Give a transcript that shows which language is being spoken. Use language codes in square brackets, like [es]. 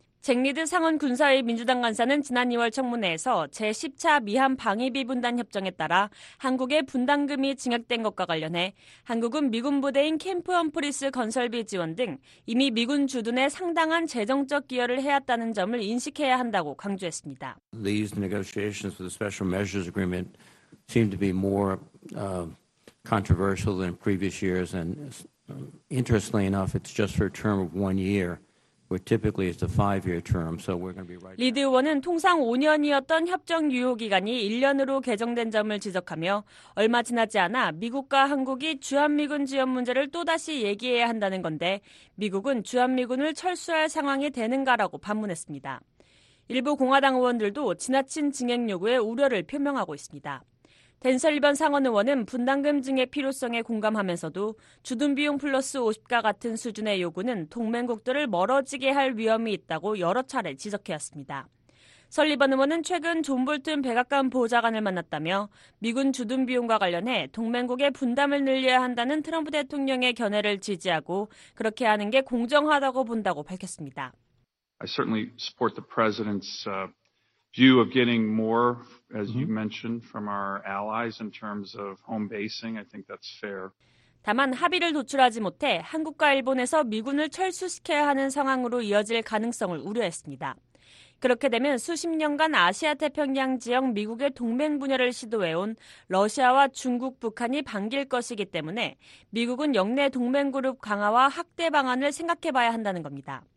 [ko] 잭 리드 상원 군사위 민주당 간사는 지난 2월 청문회에서 제10차 미한 방위비 분담 협정에 따라 한국의 분담금이 증액된 것과 관련해 한국은 미군 부대인 캠프 험프리스 건설비 지원 등 이미 미군 주둔에 상당한 재정적 기여를 해왔다는 점을 인식해야 한다고 강조했습니다. [en] These negotiations for the special measures agreement seem to be more controversial than previous years, and interestingly enough, it's just for a term of one year. Where typically it's a five-year term, so we're going to be right. [ko] 리드 의원은 통상 5년이었던 협정 유효 기간이 1년으로 개정된 점을 지적하며 얼마 지나지 않아 미국과 한국이 주한미군 지원 문제를 또다시 얘기해야 한다는 건데 미국은 주한미군을 철수할 상황이 되는가라고 반문했습니다. 일부 공화당 의원들도 지나친 증액 요구에 우려를 표명하고 있습니다. 댄 설리번 상원 의원은 분담금 증액 필요성에 공감하면서도 주둔비용 플러스 50가 같은 수준의 요구는 동맹국들을 멀어지게 할 위험이 있다고 여러 차례 지적해왔습니다. 설리번 의원은 최근 존 볼튼 백악관 보좌관을 만났다며 미군 주둔비용과 관련해 동맹국의 분담을 늘려야 한다는 트럼프 대통령의 견해를 지지하고 그렇게 하는 게 공정하다고 본다고 밝혔습니다. [en] I certainly support the president's view of getting more, as you mentioned, from our allies in terms of home basing. I think that's fair. [ko] 다만 합의를 도출하지 못해 한국과 일본에서 미군을 철수시켜야 하는 상황으로 이어질 가능성을 우려했습니다. 그렇게 되면 수십 년간 아시아 태평양 지역 미국의 동맹 분열을 시도해온 러시아와 중국, 북한이 반길 것이기 때문에 미국은 역내 동맹 그룹 강화와 확대 방안을 생각해봐야 한다는 겁니다.